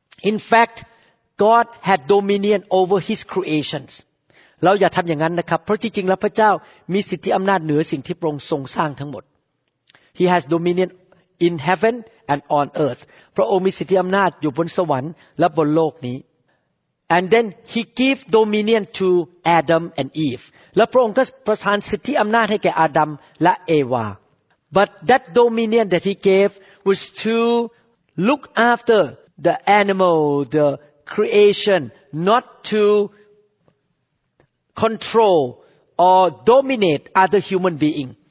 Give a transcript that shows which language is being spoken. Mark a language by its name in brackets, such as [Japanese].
[English] In fact, God had dominion over His creations. [Thai] เราอย่าทำอย่างนั้นนะครับเพราะจริงๆแล้วพระเจ้ามีสิทธิอำนาจเหนือสิ่งที่พระองค์ทรงสร้างทั้งหมด [English] He has dominionIn heaven and on earth, [Thai] พระองค์มีสิทธิอำนาจอยู่บนสวรรค์และบนโลกนี้ [English] And then he gave dominion to Adam and Eve. [Thai] แล้วพระองค์ก็ประทานสิทธิอำนาจให้แก่อาดัมและเอวา [English] But that dominion that he gave was to look after the animal, the creation, not to control or dominate other human being.